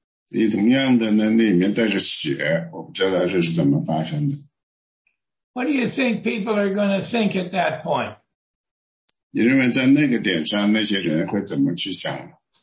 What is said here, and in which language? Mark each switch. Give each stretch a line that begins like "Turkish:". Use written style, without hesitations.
Chinese: 所以同样的呢，那里面带着血，我不知道这是怎么发生的。
English: What do you think people are going to think at that point?
Chinese: 你认为在那个点上那些人会怎么去想？